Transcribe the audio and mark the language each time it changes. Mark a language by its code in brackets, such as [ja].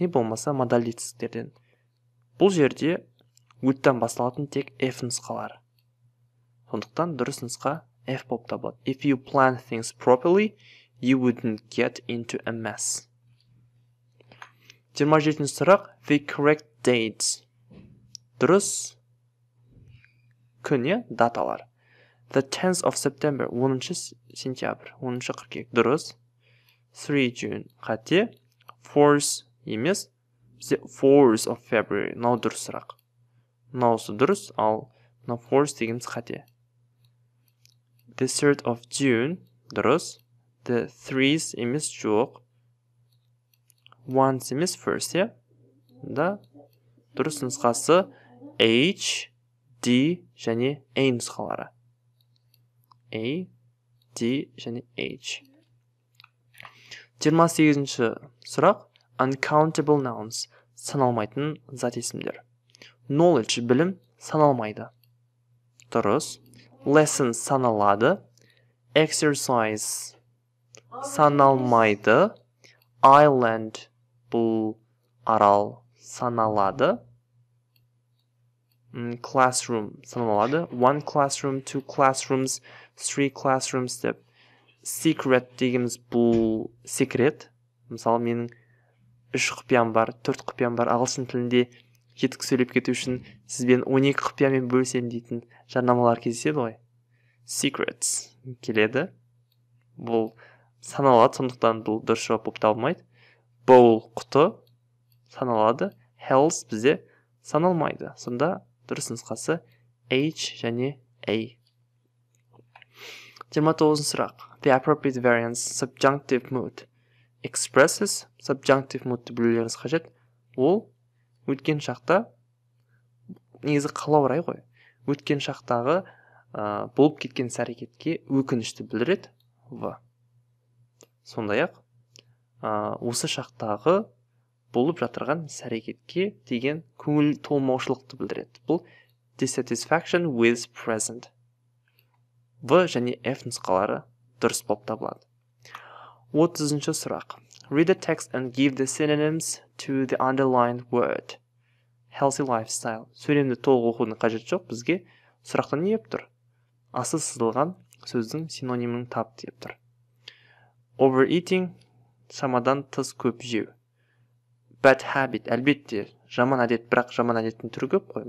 [kk] Не болмаса, модальді етістіктерден. Бұл жерде would-тан басталатын тек F нұсқалар. Сондықтан дұрыс нұсқа F болып табылады. [en] If you plan things properly, you wouldn't get into a mess. [kk] 27-ші сұрақ. [en] The correct dates. [kk] Дұрыс күні даталар. [en] The 10th of September, [kk] 10-шы сентябр, 10-шы қыркүйек, дұрыс. 3 June, қате. 4th емес, [en] 4th of February, [kk] нау дұрыс сұрақ. Науысы дұрыс, ал нау 4th дегеніміз қате. [en] The 3rd of June, дұрыс. [kk] The 3th емес жоқ. 1th емес 1st, е? Да, дұрыс нұсқасы H, D және A нұсқалары. A, D және H. 28-ші сұрақ. [en] Uncountable nouns. [kk] Саналмайтын зат есімдер. Knowledge, білім, саналмайды. Дұрыс. Lessons, саналады. Exercise, саналмайды. Island, бұл арал, саналады. Classroom, саналады. [en] One classroom, two classrooms, three classrooms деп. [kk] Secret дегеніміз бұл секрет. Мысалы, менің үш құпиям бар, төрт құпиям бар. Ағылшын тілінде жетік сөйлеп кету үшін сізбен 12 құпиямен бөлсем дейтін жарнамалар кездеседі ғой. Secrets келеді. Бұл саналады, сондықтан бұл дұрыс жауап болып табылмайды. Bowl құты саналады. Health бізде саналмайды. Сонда дұрыс нұсқасы H және A. 29-ші сұрақ. [en] The appropriate variants, subjunctive mood. expresses subjunctive mood- [kk] ті білулеріңіз қажет. Ол өткен шақта, негізі қалау рай ғой, өткен шақтағы болып кеткен сәрекетке өкінішті білдіреді. В. Сондай-ақ, осы шақтағы болып жатырған сәрекетке деген көңіл толмаушылықты білдіреді. [en] Бұл dissatisfaction with present. [kk] В және F нұсқалары дұрыс болып табылады. 30-шы сұрақ. [en] Read the text and give the synonyms to the underlined word. Healthy lifestyle. [kk] Сөйлемді толық оқудың қажеті жоқ, бізге сұрақты не деп тұр? Асы сызылған сөздің синонимін тап деп тұр. Overeating, шамадан тыс көп жеу. Bad habit, әлбетте жаман әдет, бірақ жаман әдеттің түрі көп қой.